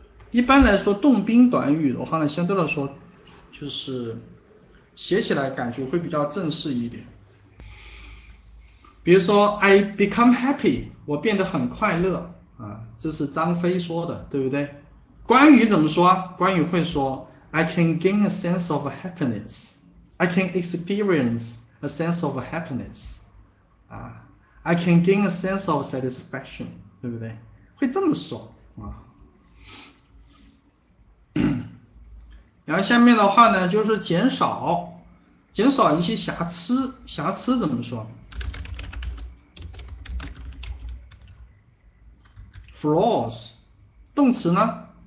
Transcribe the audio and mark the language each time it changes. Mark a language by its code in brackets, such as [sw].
[zh] 一般来说，动宾短语的话呢，相对来说就是写起来感觉会比较正式一点。比如说， [en] I become happy， [zh] 我变得很快乐这是张飞说的，对不对？关羽怎么说？关羽会说， [en] I can gain a sense of happiness。 I can experience a sense of happiness，I can gain a sense of satisfaction， [zh] 对不对？会这么说然后下面的话呢，就是减少一些瑕疵，瑕疵怎么说？Flaws，动词呢？